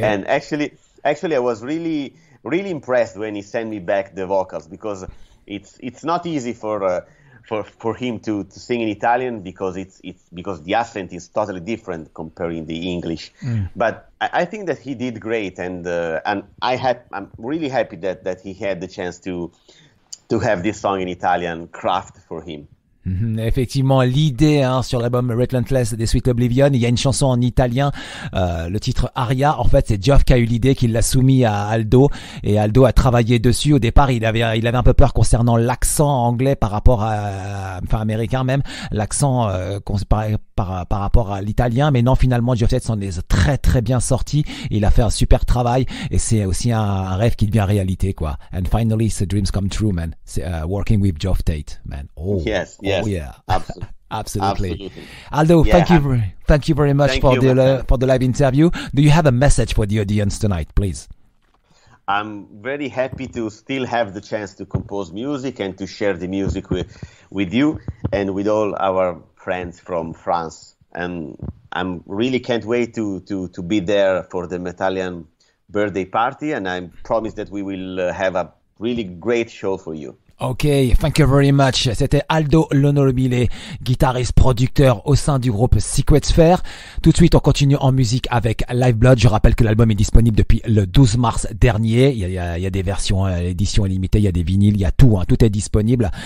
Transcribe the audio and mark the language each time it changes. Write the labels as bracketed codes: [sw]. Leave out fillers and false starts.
[en] And actually, I was really, really impressed when he sent me back the vocals, because it's not easy for him to sing in Italian, because it's because the accent is totally different comparing the English. But I think that he did great, and I'm really happy that he had the chance to have this song in Italian craft for him. [fr] Effectivement, l'idée, hein, sur l'album Relentless des Sweet Oblivion, il y a une chanson en italien, le titre Aria. En fait, c'est Geoff qui a eu l'idée, qui l'a soumis à Aldo, et Aldo a travaillé dessus. Au départ, il avait un peu peur concernant l'accent anglais par rapport à, enfin américain même, l'accent par rapport à l'italien. Mais non, finalement, Geoff Tate s'en est très très bien sorti. Il a fait un super travail, et c'est aussi un rêve qui devient réalité, quoi. [en] And finally, the dreams come true, man. Working with Geoff Tate, man. Oh. Yes. Oh, yes, yeah, absolutely. Aldo, yeah, thank you very much for the live interview. Do you have a message for the audience tonight, please? I'm very happy to still have the chance to compose music and to share the music with you and with all our friends from France. And I'm really can't wait to be there for the Metallian birthday party. And I promise that we will have a really great show for you. Ok, thank you very much. [fr] C'était Aldo Lonobile, guitariste producteur au sein du groupe Secret Sphere. Tout de suite, on continue en musique avec LifeBlood. Je rappelle que l'album est disponible depuis le 12 mars dernier. Il y a des versions, édition limitée, il y a des vinyles, il y a tout, hein, tout est disponible.